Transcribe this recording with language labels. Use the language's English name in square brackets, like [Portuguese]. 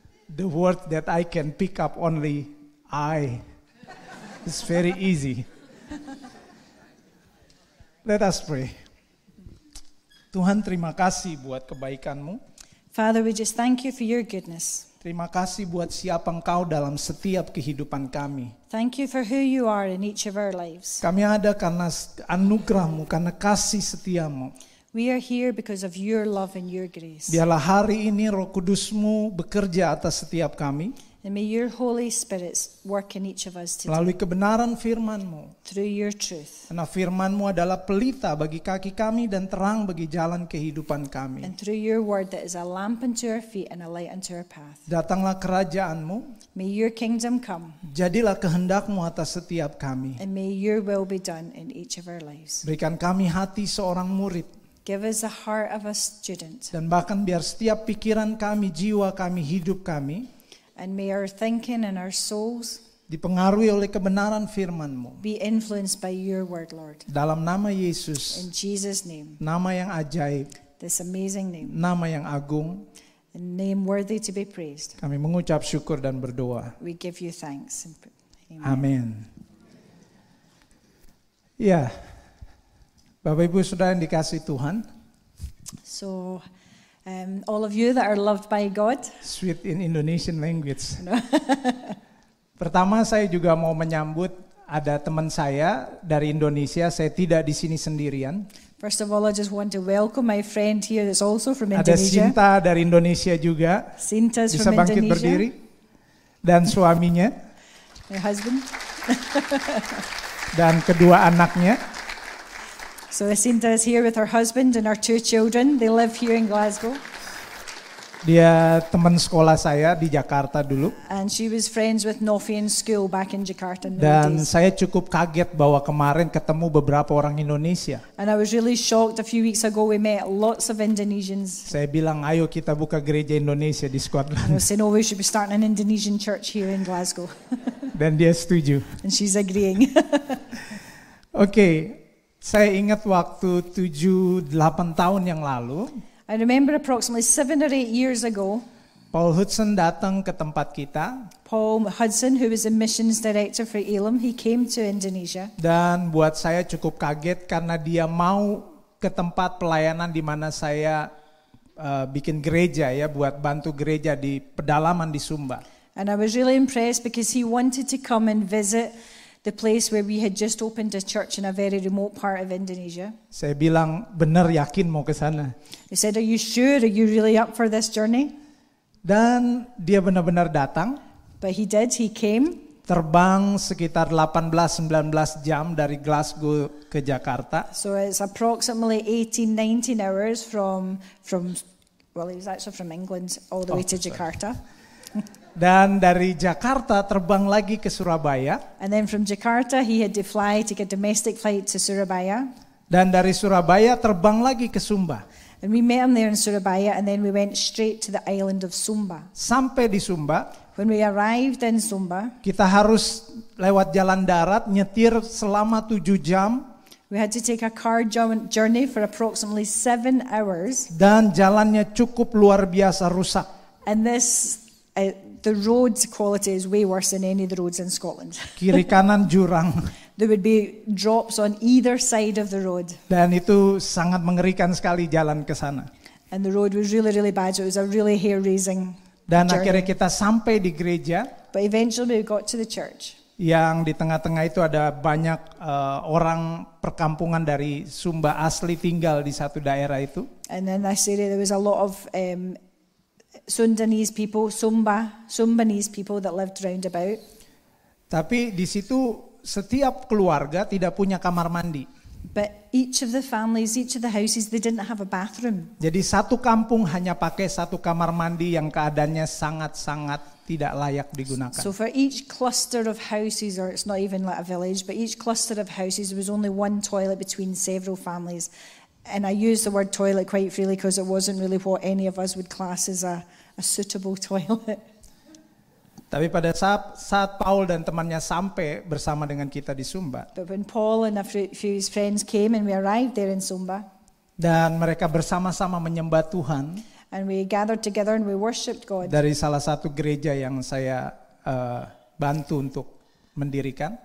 [English] The word that I can pick up only, I. It's very easy. Let us pray. [Indonesian] Tuhan, terima kasih buat kebaikan-Mu. [English] Father, we just thank you for your goodness. [Indonesian] Terima kasih buat siapa Engkau dalam setiap kehidupan kami. [English] Thank you for who you are in each of our lives. [Indonesian] Kami ada karena anugerah-Mu, karena kasih setia-Mu. [English] We are here because of your love and your grace. [Indonesian] Biarlah hari ini Roh Kudus-Mu bekerja atas setiap kami. [English] And may your Holy Spirit work in each of us today. [Indonesian] Melalui kebenaran firman-Mu. [English] Through your truth. [Indonesian] Karena firman-Mu adalah pelita bagi kaki kami dan terang bagi jalan kehidupan kami. [English] And through your word that is a lamp unto our feet and a light unto our path. [Indonesian] Datanglah kerajaan-Mu. [English] May your kingdom come. [Indonesian] Jadilah kehendak-Mu atas setiap kami. [English] And may your will be done in each of our lives. [Indonesian] Berikan kami hati seorang murid. [English] Give us the heart of a student. [Indonesian] Dan bahkan biar setiap pikiran kami, jiwa kami, hidup kami. [English] And may our thinking and our souls. [Indonesian] Dipengaruhi oleh kebenaran firman-Mu. [English] Be influenced by your word, Lord. [Indonesian] Dalam nama Yesus. [English] In Jesus' name. [Indonesian] Nama yang ajaib. [English] This amazing name. [Indonesian] Nama yang agung. [English] A name worthy to be praised. [Indonesian] Kami mengucap syukur dan berdoa. [English] We give you thanks. Amen. Amen. [Indonesian] Yeah. Bapak Ibu Saudara yang dikasihi Tuhan. [English] So, all of you that are loved by God. Sweet in Indonesian language. No. [Indonesian] Pertama saya juga mau menyambut ada teman saya dari Indonesia. Saya tidak di sini sendirian. [English] First of all, I just want to welcome my friend here that's also from Indonesia. [Indonesian] Ada Sinta dari Indonesia juga. [English] Sinta's from [Indonesian] Indonesia. Bisa bangkit berdiri. Dan suaminya. [English] My husband. [Indonesian] Dan kedua anaknya. [English] So Sinta is here with her husband and our two children. They live here in Glasgow. [Indonesian] Dia teman sekolah saya di Jakarta dulu. [English] And she was friends with Novi in school back in Jakarta. [Indonesian] Dan saya cukup kaget bahwa kemarin ketemu beberapa orang Indonesia. [English] And I was really shocked a few weeks ago we met lots of Indonesians. [Indonesian] Saya bilang ayo kita buka gereja Indonesia di Scotland. [English] I was saying, oh, we should be starting an Indonesian church here in Glasgow. [Indonesian] Dan dia setuju. [English] And she's agreeing. [Indonesian] Okay, saya ingat waktu 7-8 tahun yang lalu. [English] I remember approximately 7 or 8 years ago, [Indonesian] Paul Hudson datang ke tempat kita. [English] Paul Hudson, who was a missions director for Elam, he came to Indonesia. [Indonesian] Dan buat saya cukup kaget karena dia mau ke tempat pelayanan di mana saya bikin gereja ya, buat bantu gereja di pedalaman di Sumba. [English] And I was really impressed because he wanted to come and visit the place where we had just opened a church in a very remote part of Indonesia. [Indonesian] Saya bilang benar yakin mau ke sana. [English] He said, "Are you sure? Are you really up for this journey?" [Indonesian] Dan dia benar-benar datang. [English] But he did. He came. [Indonesian] Terbang sekitar 18-19 jam dari Glasgow ke Jakarta. [English] So it's approximately 18-19 hours from he was actually from England all the way to Jakarta. [Indonesian] Dan dari Jakarta terbang lagi ke Surabaya. [English] And then from Jakarta he had to fly, take a domestic flight to Surabaya. [Indonesian] Dan dari Surabaya terbang lagi ke Sumba. [English] And we met him there in Surabaya and then we went straight to the island of Sumba. [Indonesian] Sampai di Sumba. [English] When we arrived in Sumba. [Indonesian] Kita harus lewat jalan darat, nyetir selama 7 jam. [English] We had to take a car journey for approximately 7 hours. [Indonesian] Dan jalannya cukup luar biasa rusak. [English] And this... The road quality is way worse than any of the roads in Scotland. [Indonesian] Kiri kanan jurang. [English] There would be drops on either side of the road. [Indonesian] Dan itu sangat mengerikan sekali jalan ke sana. [English] And the road was really, really bad. So it was a really hair-raising [Indonesian] Dan [English] journey. [Indonesian] Akhirnya kita sampai di gereja. [English] But eventually we got to the church. [Indonesian] Yang di tengah-tengah itu ada banyak orang perkampungan dari Sumba asli tinggal di satu daerah itu. [English] And then I said there was a lot of Sundanese people, Sumbanese people that lived round about. [Indonesian] Tapi di situ setiap keluarga tidak punya kamar mandi. [English] But each of the families, each of the houses, they didn't have a bathroom. [Indonesian] Jadi satu kampung hanya pakai satu kamar mandi yang keadaannya sangat-sangat tidak layak digunakan. [English] So for each cluster of houses, or it's not even like a village, but each cluster of houses there was only one toilet between several families. And I use the word toilet quite freely because it wasn't really what any of us would class as a suitable toilet. [Indonesian] Tapi pada saat Paul dan temannya sampai bersama dengan kita di Sumba. [English] But when Paul and a few his friends came and we arrived there in Sumba. [Indonesian] Dan mereka bersama-sama menyembah Tuhan. [English] And we gathered together and we worshipped God. [Indonesian] Dari salah satu gereja yang saya bantu untuk mendirikan.